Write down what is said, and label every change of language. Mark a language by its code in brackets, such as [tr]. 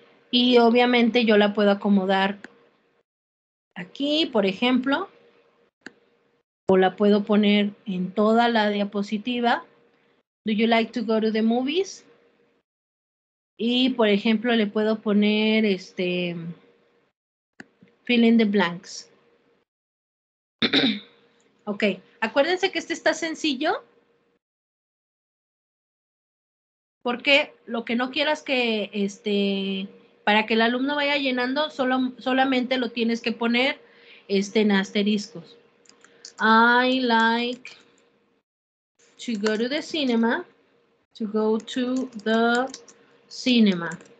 [es] Y obviamente yo la puedo acomodar aquí, por ejemplo, o la puedo poner en toda la diapositiva. [en] Do you like to go to the movies? [es] Y, por ejemplo, le puedo poner [en] fill in the blanks. [es] Ok, acuérdense que este está sencillo porque lo que no quieras que, para que el alumno vaya llenando, solamente lo tienes que poner en asteriscos. [en] I like to go to the cinema, to go to the cinema.